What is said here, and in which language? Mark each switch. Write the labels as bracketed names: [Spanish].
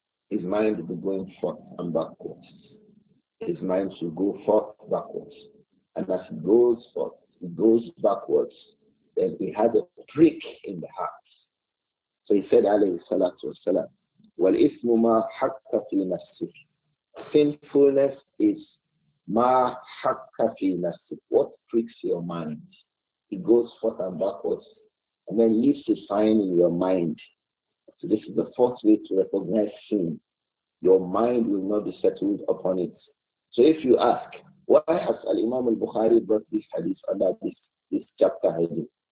[English] His mind will be going forth and backwards. His mind will go forth backwards. And as it goes forth, it goes backwards, then he has a prick in the heart. So he said, alayhi salatu wasalam, [Arabic] وَالْإِثْمُ مَا حَكَّ فِي نَفْسِكِ. [English] Sinfulness is [Arabic] مَا حَكَّ فِي نَفْسِكِ. [English] What pricks your mind? It goes forth and backwards, and then leaves a sign in your mind. So this is the fourth way to recognize sin. Your mind will not be settled upon it. So if you ask, why has Al-Imam Al-Bukhari brought this hadith under this chapter heading?